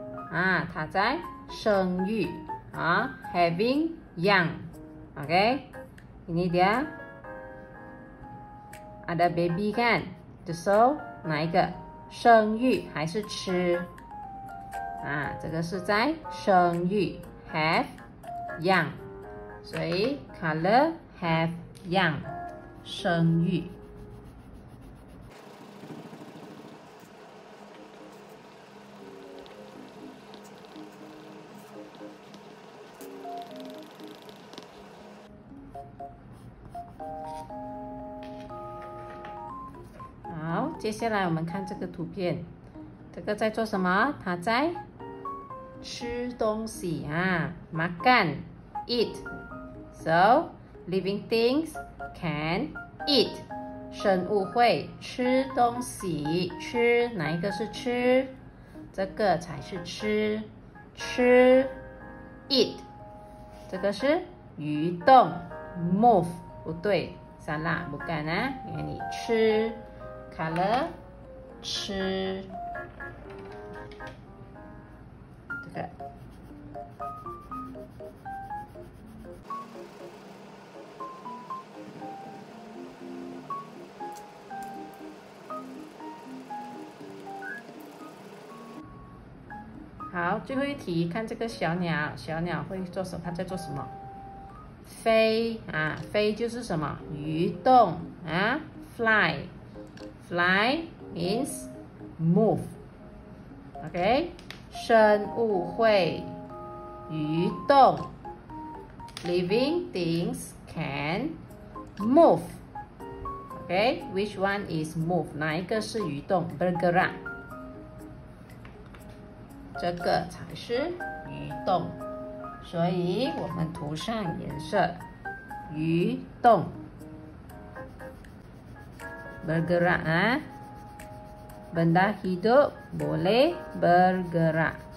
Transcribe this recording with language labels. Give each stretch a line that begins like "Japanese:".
Chinese: 啊，她在生育啊 ，
English: having young，OK？、Okay?
Malay: Ini dia ada baby kan？
English: So
Chinese: 哪一个？生育还是吃？啊，这个是在生育 ，
English: have young。所以 color have young
Chinese: 生育。好，接下来我们看这个图片，这个在做什么？它在吃东西啊，
Malay: makan
English: eat。 So, living things can eat.
Chinese: 生物会吃东西，吃，哪一个是吃？这个才是吃，吃 ，eat. 这个是移动 ，move. 不对，算了，不干啊。给你吃 ，color， 吃，这个。好，最后一题，看这个小鸟，小鸟会做什么？它在做什么？飞啊，飞就是什么？移动啊
English: ，fly， fly means move， OK，
Chinese: 生物会移动，
English: living things can move， OK， which one is move？
Chinese: 哪一个是移动？
Malay: Bergerak。
Chinese: 这个才是移动，所以我们涂上颜色，移动 ，
Malay: bergerak
Chinese: 啊。
Malay: benda hidup boleh bergerak.